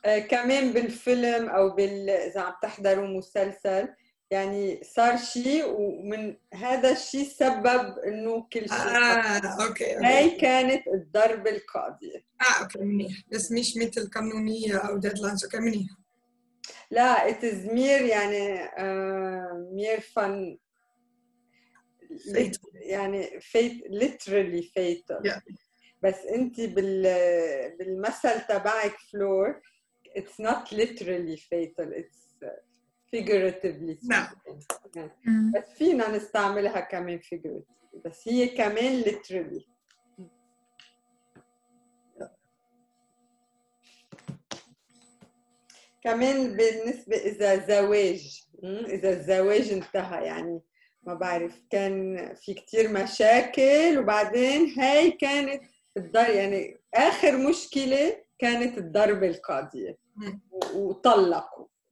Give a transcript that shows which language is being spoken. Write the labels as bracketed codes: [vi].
[ar] كمان بالفيلم أو إذا عم تحضروا مسلسل يعني صار شيء ومن هذا الشيء سبب إنه كل شيء. أوكي. هاي كانت الضرب القاضية. أوكي منيح. بس مش مثل قانونية أو deadlines. أوكي منيح. [en] لا it's mere يعني mere fun. يعني fate literally fatal. Yeah. [ar] بس أنت بالمثل تبعك فلور. [en] It's not literally fatal. It's figuratively. No. [ar] But فينا نستعملها كمان figuratively. بس هي كمان literally. كمان بالنسبة إذا زواج. إذا الزواج انتهى يعني ما بعرف كان في كتير مشاكل وبعدين هاي كانت الضرب يعني آخر مشكلة كانت الضرب القاضية. وطلقوا.